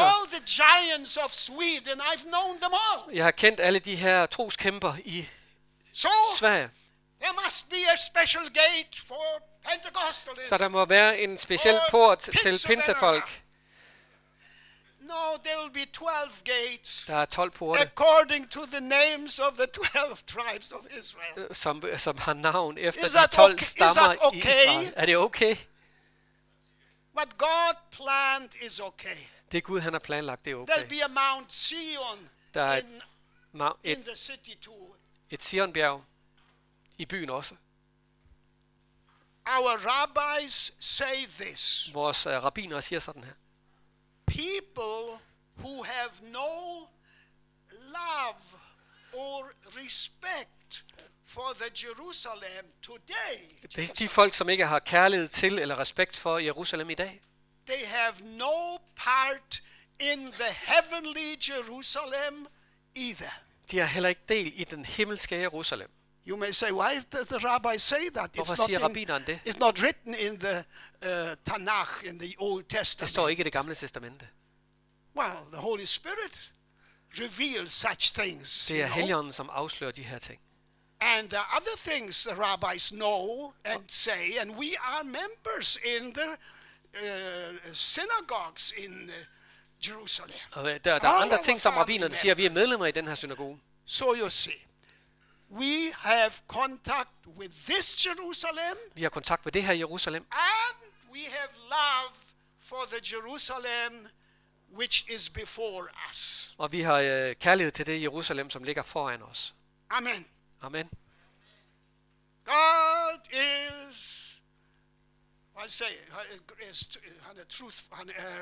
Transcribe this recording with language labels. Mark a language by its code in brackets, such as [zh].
[en] All the giants of Sweden, I've known them all. [da] Jeg har kendt alle de her troskæmper i [en] so, [da] Sverige. [en] There must be a special gate for [da] så der må være en speciel port til pinsefolk. [en] No, there will be 12 gates. [da] Der er 12 porte. [en] According to the names of the 12 tribes of Israel. [da] Som har navn efter de 12 stammer [en] is okay? [da] I Israel. Er det okay? [en] What God planned is okay. [da] Det Gud han har planlagt, det er okay. [en] There'll be a Mount Zion in the city too. [da] Et Zionbjerg i byen også. [en] Our rabbis say this. [da] Vores rabbiner siger sådan her. [en] People who have no love or respect for the Jerusalem today. [da] Det er de folk som ikke har kærlighed til eller respekt for Jerusalem i dag. [en] They have no part in the heavenly Jerusalem either. [da] De har heller ikke del i den himmelske Jerusalem. [en] You may say, why does the rabbi say that? [da] Hvorfor siger rabbineren det? [en] It's not written in the Tanakh, in the Old Testament. [da] Det står ikke i det gamle testamente. [en] Well, the Holy Spirit reveals such things. [da] Det er Helligånden, som afslører de her ting. [en] And the other things the rabbis know and say, and we are members in the synagogues in Jerusalem. [da] Der er andre ting, som rabbineren siger, vi er medlemmer i den her synagoge. [en] So you see. We have contact with this Jerusalem. [da] Vi har kontakt med det her Jerusalem. [en] And we have love for the Jerusalem which is before us. [da] Og vi har kærlighed til det Jerusalem som ligger foran os. [en] Amen. [da] Amen. [en] God is I say is the truth and